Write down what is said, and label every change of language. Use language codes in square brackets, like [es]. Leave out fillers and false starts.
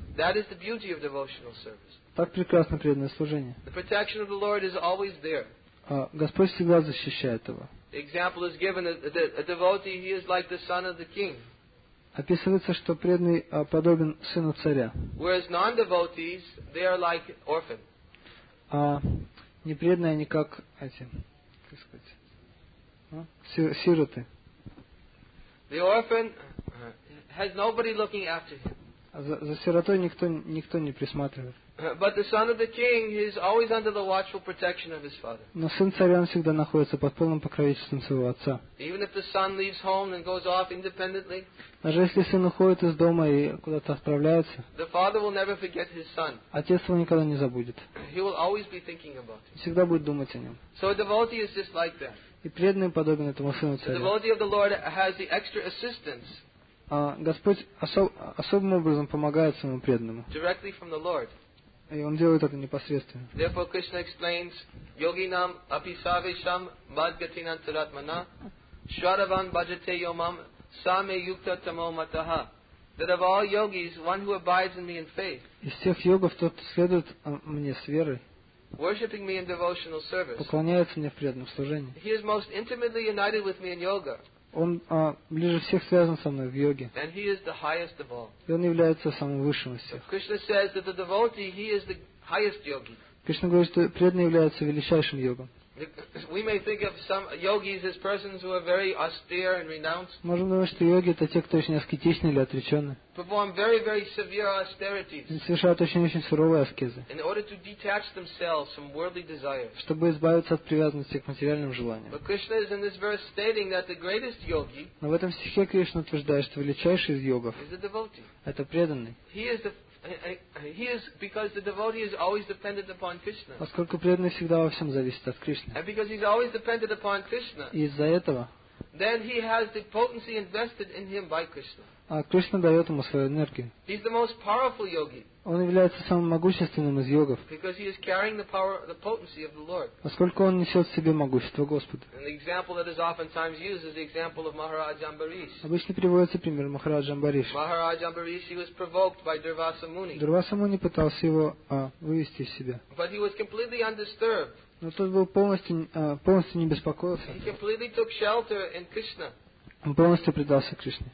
[ru] Так прекрасно преданное служение. [en] Protection of the Lord is always there. [ru] Господь всегда защищает его. [en] Example is given a devotee, he is like the son of the king. [ru] Описывается, что преданный подобен сыну царя. [en] Whereas non-devotees, they are like orphan. [ru] Непреданные они как эти, как сказать, сироты. [en] The orphan has nobody looking after him. [ru] За сиротой никто не присматривает. [en] But the son of the king is always under the watchful protection of his father. [ru] Но сын царя всегда находится под полным покровительством своего отца. [en] Even if the son leaves home and goes off independently. [ru] Даже если сын уходит из дома и куда-то отправляется. [en] The father will never forget his son. [ru] Отец его никогда не забудет. [en] He will always be thinking about him. [ru] Всегда будет думать о нем. [en] So a devotee is just like that. [ru] И преданный подобен этому сыну царя. [en] The devotee of the Lord has the extra assistance. [ru] Господь особым образом помогает своему преданному. [en] Directly from the Lord. [ru] И он делает это непосредственно. [en] Therefore, Krishna explains, [sa] Yoginam apisavisham madgatinam taratmana shravan bhajate yomam same yukta tamo mataha. [en] That of all yogis, one who abides in me in faith. [ru] Из всех йогов тот следует мне с верой. [en] Worshipping me in devotional service. [ru] Поклоняется мне в преданном служении. [en] He is most intimately united with me in yoga. [ru] Он ближе всех связан со мной в йоге. [en] And he is the highest of all. [ru] И он является самым высшим из всех. [en] Krishna says that the devotee, he is the highest yogi. [ru] Кришна говорит, что преданный является величайшим йогом. [en] We may think of some yogis as persons who are very austere and renounced. [ru] Можем думать, что йоги это те, кто очень аскетичны или отречены. [en] Perform very, very severe austerities. [ru] И совершают очень-очень суровые аскезы. [en] In order to detach themselves from worldly desires. [ru] Чтобы избавиться от привязанности к материальным желаниям. [en] But Krishna is in this verse stating that the greatest yogi. [ru] Но в этом стихе Кришна утверждает, что величайший из йогов. [en] Is the devotee. [ru] Это преданный. [en] He is because the devotee is always dependent upon Krishna. [ru] Поскольку преданный всегда во всем зависит от Кришны. [en] And because he's always dependent upon Krishna. [ru] Из-за этого. [en] Then he has the potency invested in him by Krishna. [ru] А Кришна дает ему свою энергию. [en] He's the most powerful yogi. [ru] Он является самым могущественным из йогов. [en] Because he is carrying the power, the potency of the Lord. [ru] Поскольку он несет в себе могущество Господа. [en] And the example that is oftentimes used is the example of Maharaj Ambarish. [ru] Обычно приводится пример Махараджа Амбариша. [en] Maharaj Ambarish, he was provoked by Durvasa Muni. [ru] Дурвасса Муни пытался его вывести из себя. [en] But he was completely undisturbed. [ru] Но тот был полностью не беспокоился. [en] He completely took shelter in Krishna. [ru] Он полностью предался Кришне.